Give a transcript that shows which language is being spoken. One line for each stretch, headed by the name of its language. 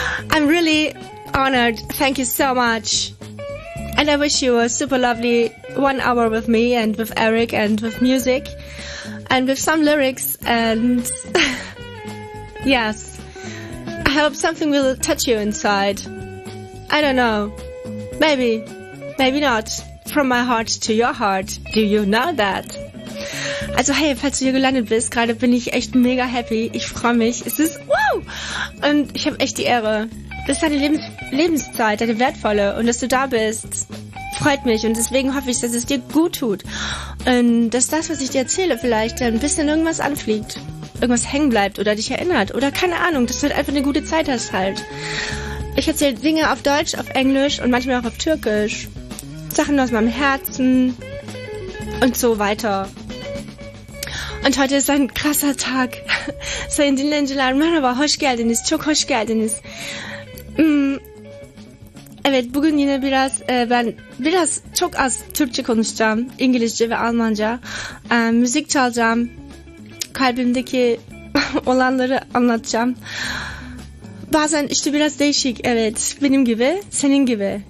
English: I'm really honored. Thank you so much. And I wish you a super lovely 1 hour with me and with Eric and with music and with some lyrics and yes, I hope something will touch you inside. I don't know, maybe not, from my heart to your heart, do you know that?
German: Also hey, falls du hier gelandet bist, gerade bin ich echt mega happy, ich freue mich, es ist wow und ich habe echt die Ehre. Das ist deine Lebenszeit, deine wertvolle. Und dass du da bist, freut mich. Und deswegen hoffe ich, dass es dir gut tut. Und dass das, was ich dir erzähle, vielleicht ein bisschen irgendwas anfliegt. Irgendwas hängen bleibt oder dich erinnert. Oder keine Ahnung, dass du halt einfach eine gute Zeit hast halt. Ich erzähle Dinge auf Deutsch, auf Englisch und manchmal auch auf Türkisch. Sachen aus meinem Herzen und so weiter. Und heute ist ein krasser Tag. So in den Ländern, man aber hoch geld in ist, hoch geld in ist.
Turkish: Evet, bugün yine biraz ben biraz çok az Türkçe konuşacağım, İngilizce ve Almanca. Müzik çalacağım, kalbimdeki olanları anlatacağım. Bazen işte biraz değişik, evet, benim gibi, senin gibi.